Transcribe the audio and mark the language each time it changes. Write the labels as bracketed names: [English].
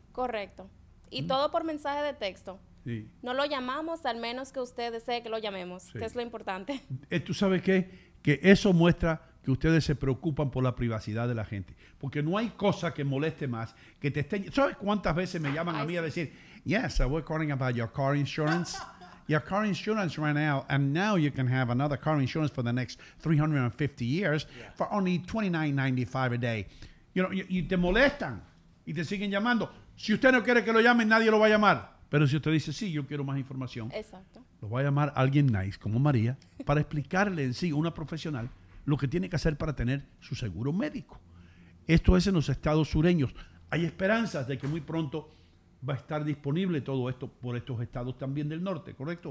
[Spanish] Correcto. Y todo por mensaje de texto. Sí. No lo llamamos, al menos que usted desee que lo llamemos, sí, que es lo importante. ¿Tú sabes qué? Que eso muestra que ustedes se preocupan por la privacidad de la gente. Porque no hay cosa que moleste más que te estén... ¿Sabes cuántas veces me llaman a mí a decir, [English] yes, I was calling about your car insurance? Your car insurance ran out, and now you can have another car insurance for the next 350 years for only $29.95 a day. You know, [Spanish] y te molestan y te siguen llamando. Si usted no quiere que lo llamen, nadie lo va a llamar. Pero si usted dice, sí, yo quiero más información. Exacto. Lo va a llamar alguien nice, como María, para explicarle en sí, una profesional, lo que tiene que hacer para tener su seguro médico. Esto es en los estados sureños. Hay esperanzas de que muy pronto va a estar disponible todo esto por estos estados también del norte, ¿correcto?